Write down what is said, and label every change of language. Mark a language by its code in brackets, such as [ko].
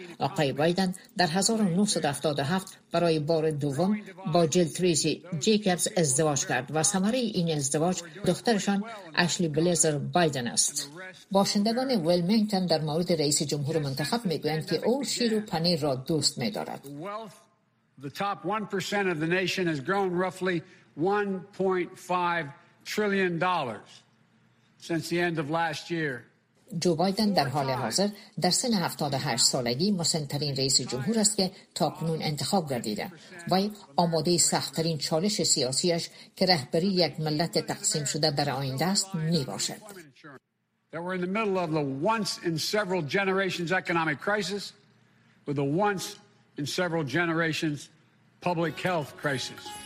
[fa] آقای بایدن در 1977 برای بار دوم با جل تریسی جیکبز ازدواج کرد و ثمره این ازدواج دخترشان اشلی بلیزر بایدن است. باشندگان ویلمنگتن در مورد رئیس جمهور منتخب میگویند که او شیر و پنیر را دوست می‌دارد. [en] The top 1% of the nation has grown roughly $1.5 trillion since the end of last year. [fa] جو بایدن در حال حاضر در سن 78 سالگی مسن‌ترین رئیس جمهور است که تاکنون انتخاب گردیده و آماده سخت‌ترین چالش سیاسیش که رهبری یک ملت تقسیم شده در آینده است می باشد. [en] That we're in the middle of the once in several generations economic crisis with the once in several generations public health crisis.